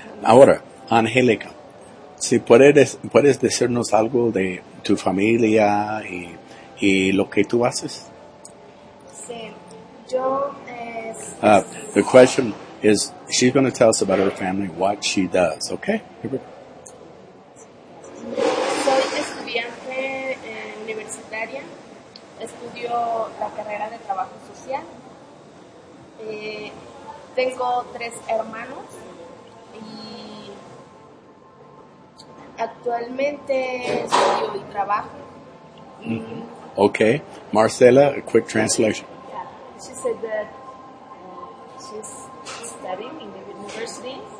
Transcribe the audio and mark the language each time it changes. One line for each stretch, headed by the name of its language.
Spanish: Ahora, Angélica, si puedes decirnos algo de tu familia y lo que tú haces. Sí. Yo
English: The question is, she's going to tell us about her family, what she does, okay?
Spanish: Soy estudiante universitaria. Estudio la carrera de trabajo social. Tengo tres hermanos y actualmente estudio y trabajo.
English: Okay, Marcela, a quick translation. Yeah, she said that she's studying in the university,